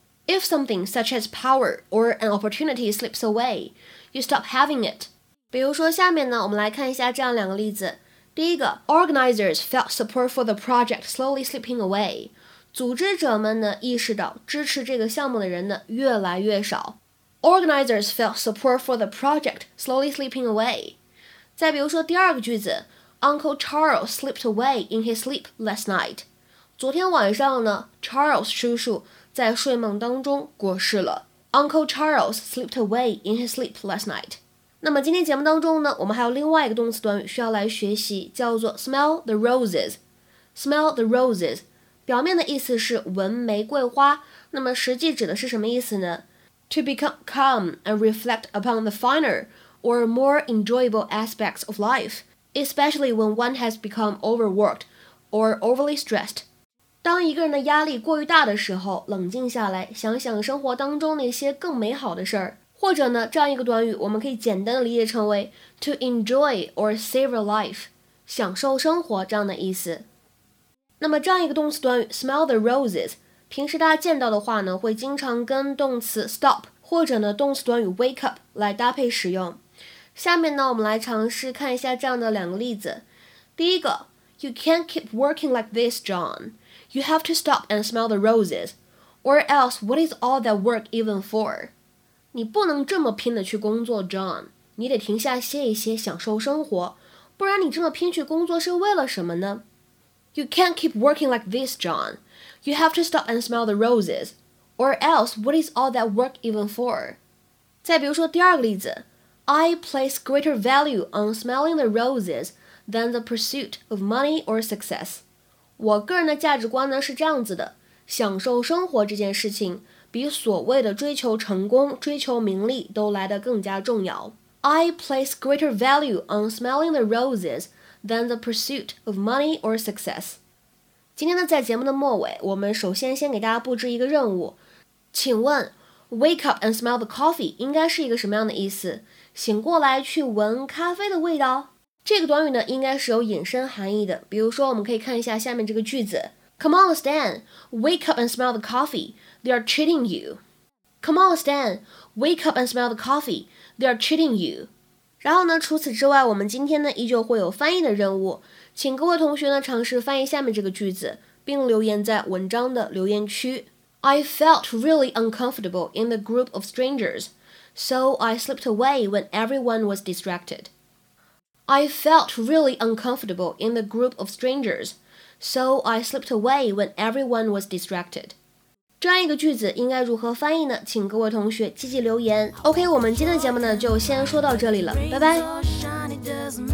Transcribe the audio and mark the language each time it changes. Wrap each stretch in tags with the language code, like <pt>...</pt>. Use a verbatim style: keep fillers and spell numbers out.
<en>If something such as power or an opportunity slips away, you stop having it。</en> <zh>比如说下面呢，我们来看一下这样两个例子。第一个</zh> <en>Organizers felt support for the project slowly slipping away。</en> <zh>组织者们呢意识到支持这个项目的人呢越来越少。</zh> <en>Organizers felt support for the project slowly slipping away.</en> <zh>再比如说第二个句子</zh> <en>Uncle Charles slipped away in his sleep last night.</en> <zh>昨天晚上呢 Charles 叔叔在睡梦当中过世了。</zh> <en>Uncle Charles slipped away in his sleep last night.</en> <zh>那么今天节目当中呢，我们还有另外一个动词短语需要来学习，叫做 smell the roses. Smell the roses 表面的意思是闻玫瑰花，那么实际指的是什么意思呢？</zh> <en>To become calm and reflect upon the finer or more enjoyable aspects of life, especially when one has become overworked or overly stressed.</en> <zh>当一个人的压力过于大的时候，冷静下来，想想生活当中那些更美好的事儿。或者呢，这样一个短语，我们可以简单的理解成为</zh> <en>to enjoy or savor life，</en> <zh>享受生活这样的意思。那么这样一个动词短语 smell the roses。平时大家见到的话呢，会经常跟动词 stop 或者呢动词短语 wake up 来搭配使用。下面呢，我们来尝试看一下这样的两个例子。第一个</zh> <en>，You can't keep working like this, John. You have to stop and smell the roses, or else what is all that work even for?</en> <zh>你不能这么拼的去工作 ，John. 你得停下歇一歇，享受生活，不然你这么拼去工作是为了什么呢 ？</zh> <en>You can't keep working like this, John. You have to stop and smell the roses, or else what is all that work even for?</en> <zh>再比如说第二个例子。</zh> <en>I place greater value on smelling the roses than the pursuit of money or success.</en> <zh>我个人的价值观呢是这样子的，享受生活这件事情比所谓的追求成功、追求名利都来得更加重要。</zh> <en>I place greater value on smelling the roses than the pursuit of money or success.</en> <zh>今天呢，在节目的末尾，我们首先先给大家布置一个任务，请问 wake up and smell the coffee 应该是一个什么样的意思？醒过来去闻咖啡的味道。这个短语呢，应该是有引申含义的。比如说，我们可以看一下下面这个句子 ：</zh> <en>Come on, Stan, wake up and smell the coffee. They are cheating you. Come on, Stan, wake up and smell the coffee. They are cheating you.</en> <zh>然后呢，除此之外，我们今天呢依旧会有翻译的任务，请各位同学呢尝试翻译下面这个句子，并留言在文章的留言区。</zh> <en>I felt really uncomfortable in the group of strangers. So I slipped away when everyone was distracted. I felt really uncomfortable in the group of strangers, so I slipped away when everyone was distracted.</en> <zh>这样一个句子应该如何翻译呢？请各位同学积极留言。 OK， 我们今天的节目呢就先说到这里了，拜拜。</zh>